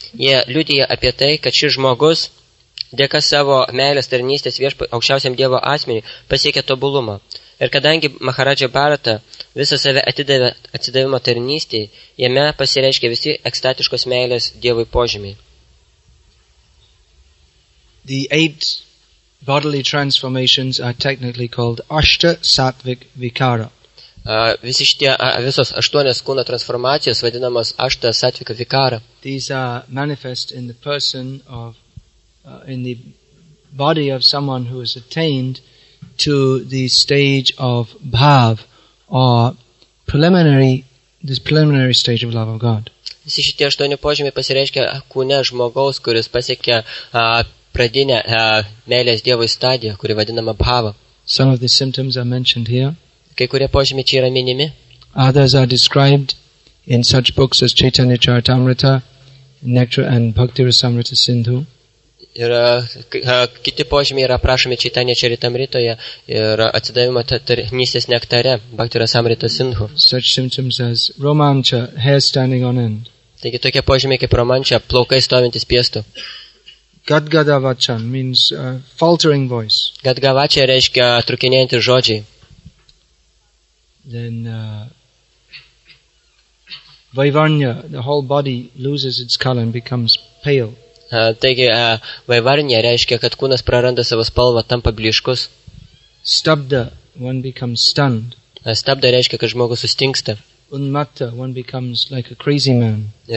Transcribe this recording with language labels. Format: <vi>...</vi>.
<lt>Jie liudija apie tai, kad šis žmogus, dėka savo meilės tarnystės aukščiausiam dievo asmeniui, pasiekė tobulumą. Ir kadangi Maharadža Bharata visą save atidavė atsidavimo tarnystėje, jame pasireiškia visi ekstatiškos meilės dievui požymiai.</lt> <en>The 8 bodily transformations are technically called Ashta Sattvic Vikara.</en> <lt>Visos 8 kūno transformacijos vadinamos Ashta Sattvic Vikara.</lt> <en>These are manifest in the person of in the body of someone who has attained to the stage of bhav or this preliminary stage of love of God.</en> <lt>Visi šitie 8 požymiai pasireiškia kūne žmogaus, kuris pasiekia pradinę meilės dievui stadiją, kuri vadinama bhava.</lt> <en>Some of the symptoms are mentioned here.</en> <lt>Kai kurie požymiai čia yra minimi.</lt> <en>Others are described in such books as Chaitanya Charitamrita, Nectar and Bhakti Rasamrita Sindhu.</en> <lt>Ir kiti požymiai yra aprašomi Chaitanya Charitamritoje ir atsidavimo tarnystės nektare Bhakti Rasamrita Sindhu.</lt> <en>Such symptoms as romancha, hair standing on end.</en> <lt>Taigi tokie požymiai kaip romancha, plaukai stovintis piestu.</lt> <en>Gadgada vacha means faltering voice.</en> <lt>Gadgada vacha reiškia trukinėjantys žodžiai.</lt> <en>Then vaivarnya, the whole body loses its color and becomes pale.</en> <lt>Vaivarnya reiškia, kad kūnas praranda savo spalvą, tampa blyškus.</lt> <en>Stabda, one becomes stunned.</en> <lt>Stabda reiškia, kad žmogus sustingsta.</lt> <en>Unmatta, one becomes like a crazy man.</en>